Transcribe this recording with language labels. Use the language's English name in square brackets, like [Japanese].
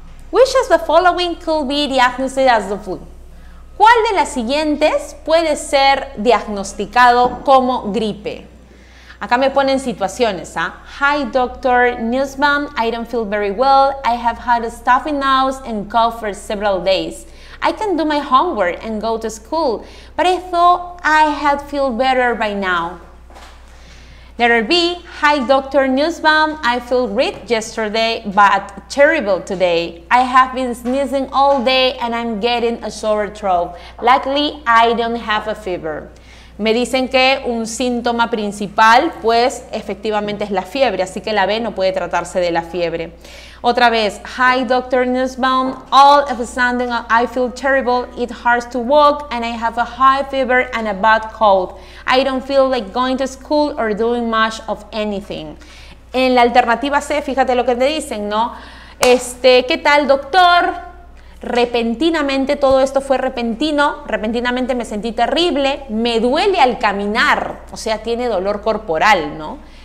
[English] Which of the following could be diagnosed as the flu? [Spanish] ¿Cuál de las siguientes puede ser diagnosticado como gripe? Acá me ponen situaciones, ¿ah? [English] Hi, doctor Newsman, I don't feel very well. I have had a stuffy nose and cough for several days. I can do my homework and go to school, but I thought I had feel better by now. Letter B. Hi, Dr. Newsbaum. I feel great yesterday, but terrible today. I have been sneezing all day and I'm getting a sore throat. Luckily, I don't have a fever. [Spanish] Me dicen que un síntoma principal, pues, efectivamente es la fiebre, así que la B no puede tratarse de la fiebre. Otra vez, [English] hi, Dr. Newsbaum. All of a sudden, I feel terrible. It hurts to walk and I have a high fever and a bad cold. I don't feel like going to school or doing much of anything. [Spanish] En la alternativa C, fíjate lo que te dicen, ¿no? ¿Qué tal, doctor? Repentinamente, todo esto fue repentino, repentinamente me sentí terrible, me duele al caminar, o sea, tiene dolor corporal, ¿no?